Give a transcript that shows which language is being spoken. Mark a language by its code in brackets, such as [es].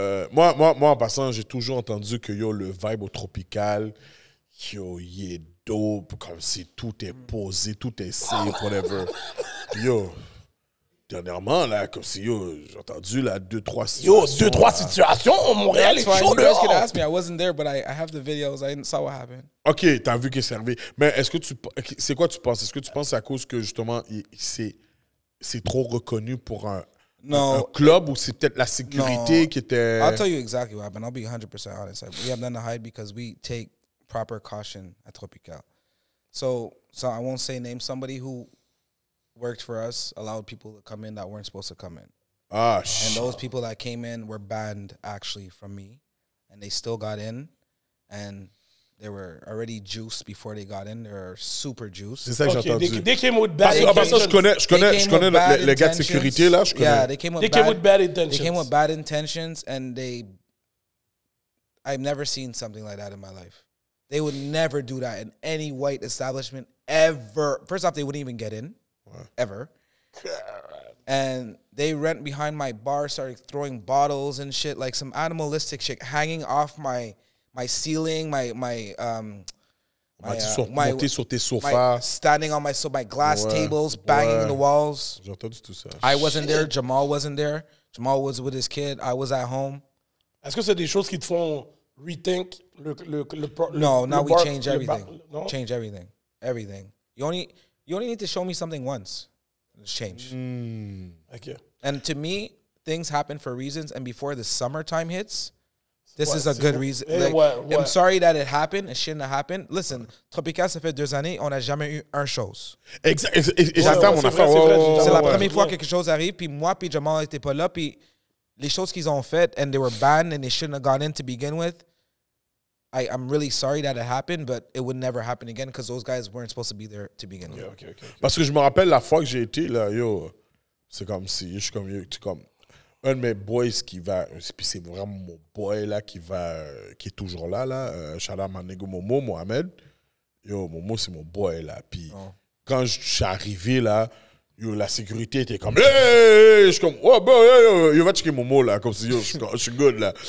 [fr] Moi, en passant, j'ai toujours entendu que yo, le vibe au tropical, yo, il est dope, comme si tout est posé, tout est safe, whatever. Yo, dernièrement, là, comme si yo, j'ai entendu là, 2-3 situations. Yo, 2-3 situations, en Montréal, est chaud dehors. [en] You guys could ask me, I wasn't there, but I have the videos, I saw what happened. [fr] Ok, t'as vu qu'il est servi. Mais est-ce que c'est quoi tu penses? Est-ce que tu penses à cause que justement, c'est trop reconnu pour un club ou c'est peut-être la sécurité qui était... [en] I'll tell you exactly what happened. I'll be 100% honest. We have nothing to hide because we take proper caution at Tropikal. So I won't say name. Somebody who worked for us allowed people to come in that weren't supposed to come in. Ah, And those people that came in were banned actually from me. And they still got in. And... They were already juiced before they got in. They were super juiced. [fr] C'est ça que j'ai entendu. [en] They came with bad intentions. [fr] Parce que je connais les gars de sécurité, là. [en] Yeah, they came with bad intentions, and I've never seen something like that in my life. They would never do that in any white establishment ever. First off, they wouldn't even get in, ever. And they rent behind my bar, started throwing bottles and shit, like some animalistic shit, hanging off my ceiling, my [fr] Monté sur tes sofas. [en] Standing on my sofa, my glass tables, banging the walls. [fr] J'ai entendu tout ça. [en] I wasn't there, Jamal wasn't there. Jamal was with his kid, I was at home. [fr] Est-ce que c'est des choses qui te font rethink [en] we change everything. Change everything. Everything. You only need to show me something once. It's changed. Thank you. And to me, things happen for reasons. And before the summertime hits, this is a good reason. Hey, like, what? I'm sorry that it happened. It shouldn't have happened. [fr] Listen, Tropikal, ça fait deux années, on n'a jamais eu un chose. Exactement. C'est la première fois que quelque chose arrive. Puis moi, puis Jamal n'était pas là. Puis les choses qu'ils ont faites, [en] and they were banned, and they shouldn't have gone in to begin with. I'm really sorry that it happened, but it would never happen again because those guys weren't supposed to be there to begin with. Okay. [fr] Parce que je me rappelle la fois que j'ai été là, yo, c'est comme si, je suis comme, yo, tu comme, un de mes boys qui va, puis c'est vraiment mon boy là qui va, qui est toujours là, là, Shalom Anego Momo, Mohamed, yo, Momo, c'est mon boy là. Puis quand je suis arrivé là, yo, la sécurité était comme, hey, je suis comme, oh, bon, yo, va checker Momo, là, comme si, yo, je suis good, là.